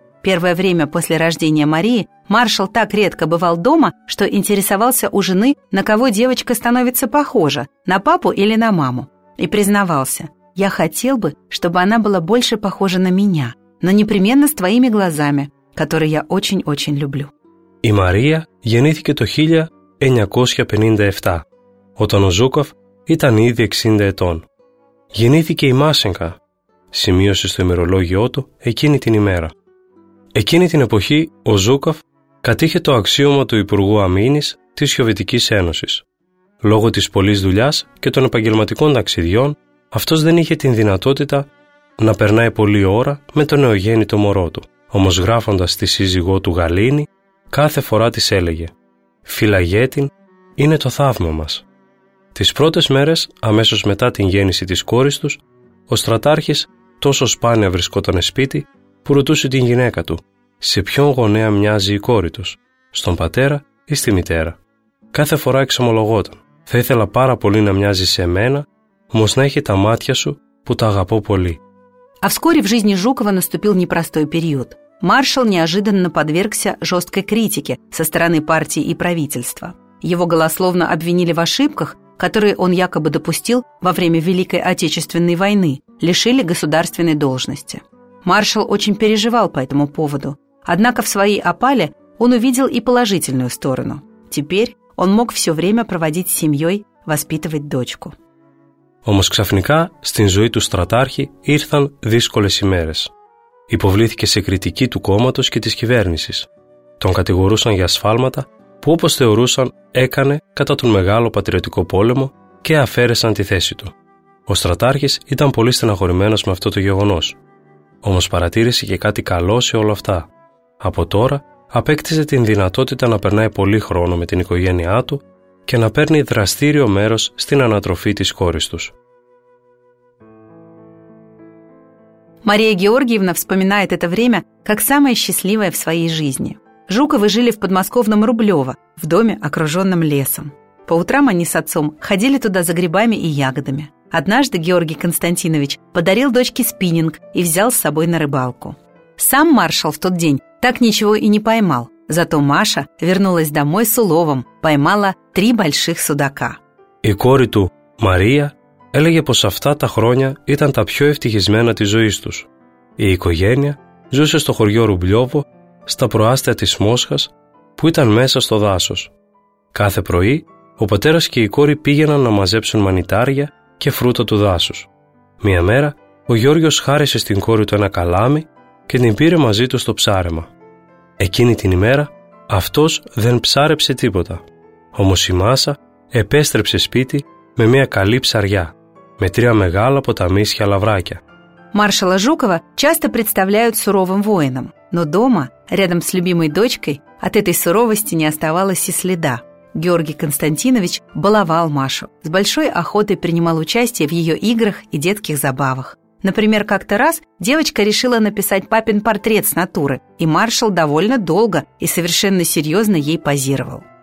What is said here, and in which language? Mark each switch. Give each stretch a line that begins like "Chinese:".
Russian: Первое время после рождения Марии маршал так редко бывал дома, что интересовался у жены, на кого девочка становится похожа – на папу или на маму. И признавался: «Я хотел бы, чтобы она была больше похожа на меня, но непременно с твоими глазами, которые я очень-очень люблю».
Greek: И Мария γεννήθηκε το 1957, όταν ο Ζούκοφ ήταν ήδη 60 ετών. Γεννήθηκε η Μάσενκα, σημείωσε στο ημερολόγιο του εκείνη την ημέρα. Εκείνη την εποχή, ο Ζούκοφ κατήχε το αξίωμα του Υπουργού Αμήνης της Σοβιετικής Ένωσης. Λόγω της πολλής δουλειάς και των επαγγελματικών ταξιδιών, αυτός δεν είχε την δυνατότητα να περνάει πολλή ώρα με το νεογέννητο μωρό του. Όμως γράφοντας τη σύζυγό του Γαλήνη, κάθε φορά της έλεγε: «Φυλαγέτην είναι το θαύμα μας». Τις πρώτες μέρες, αμέσως μετά την γέννηση της κόρης τους, ο στρατάρχης τόσο σπάνια βρισκόταν σπίτι που ρωτούσε την γυναίκα του σε ποιον γονέα μοιάζει η κόρη τους, στον πατέρα ή στη μητέρα. Κάθε φορά εξομολογόταν: «Θα ήθελα πάρα πολύ να μοιάζει σε μένα, όμως να έχει τα μάτια σου που τα αγαπώ πολύ».
Russian: А вскоре в жизни Жукова наступил непростой период. Маршал неожиданно подвергся жесткой критике со стороны партии и правительства. Его голословно обвинили в ошибках, которые он якобы допустил во время Великой Отечественной войны, лишили государственной должности. Маршал очень переживал по этому поводу. Однако в своей опале он увидел и положительную сторону. Теперь он мог все время проводить с семьей, воспитывать дочку.
Greek: Όμως ξαφνικά στην ζωή του στρατάρχη ήρθαν δύσκολες ημέρες. Υποβλήθηκε σε κριτική του κόμματος και της κυβέρνησης. Τον κατηγορούσαν για σφάλματα που, όπως θεωρούσαν, έκανε κατά τον Μεγάλο Πατριωτικό Πόλεμο και αφαίρεσαν τη θέση του. Ο στρατάρχης ήταν πολύ στεναχωρημένος με αυτό το γεγονός. Όμως παρατήρησε και κάτι καλό σε όλα αυτά. Από τώρα απέκτησε την δυνατότητα να περνάει πολύ χρόνο με την οικογένειά του και να παίρνει δραστήριο μέρος στην ανατροφή της κόρης τους.
Russian: Мария Георгиевна вспоминает это время как самое счастливое в своей жизни. Жуковы жили в подмосковном Рублево, в доме, окруженном лесом. По утрам они с отцом ходили туда за грибами и ягодами. Однажды Георгий Константинович подарил дочке спиннинг и взял с собой на рыбалку. Сам маршал в тот день так ничего и не поймал. Зато Маша вернулась домой с уловом, поймала 3 больших судака.
Greek: И кори ту, Мария, έλεγε πως αυτά τα χρόνια ήταν τα πιο ευτυχισμένα της ζωής τους. Η οικογένεια ζούσε στο χωριό Ρουμπλιόβο, στα προάστια της Μόσχας, που ήταν μέσα στο δάσος. Κάθε πρωί, ο πατέρας και η κόρη πήγαιναν να μαζέψουν μανιτάρια και φρούτα του δάσους. Μία μέρα, ο Γιώργος χάρισε στην κόρη του ένα καλάμι και την πήρε μαζί του στο ψάρεμα. Εκείνη την ημέρα, αυτός δεν ψάρεψε τίποτα. Όμως η Μάσα επέστρεψε σπίτι με μια καλή ψαριά, με 3 μεγάλα ποταμίσια λαβράκια.
Russian: Маршала Жукова часто представляют суровым воином, но дома, рядом с любимой дочкой, от этой суровости не оставалось и следа. Георгий Константинович баловал Машу, с большой охотой принимал участие в ее играх и детских забавах. Например, как-то раз девочка решила написать папин портрет с натуры, и маршал довольно долго и совершенно серьезно ей позировал.